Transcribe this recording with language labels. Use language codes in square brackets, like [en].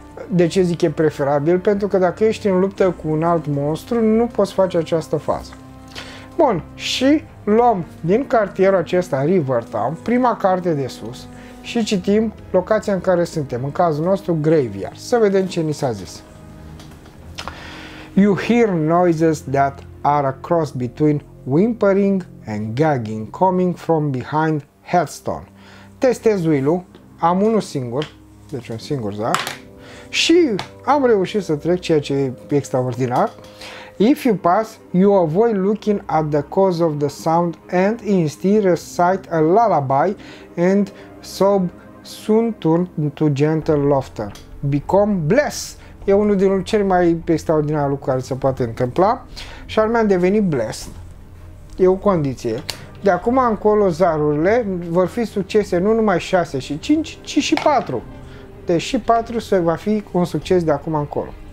[ro] De ce zic e preferabil? Pentru că dacă ești în luptă cu un alt monstru, nu poți face această fază. Bun, și luăm din cartierul acesta, River Town, prima carte de sus și citim locația în care suntem, în cazul nostru Graveyard. Să vedem ce ni s-a zis. [en] You hear noises that are a cross between whimpering and gagging coming from behind headstone. [ro] Testez will-ul, am unul singur, deci un singur zar, și am reușit să trec, ceea ce e extraordinar. [en] If you pass, you avoid looking at the cause of the sound and instead recite a lullaby and sob soon turn to gentle laughter. Become blessed. [ro] E unul din cele mai extraordinare lucruri care se poate întâmpla. Și anume am devenit blessed. E o condiție. De acum încolo zarurile vor fi succese nu numai 6 și 5, ci și 4. Deci și 4 va fi un succes de acum încolo.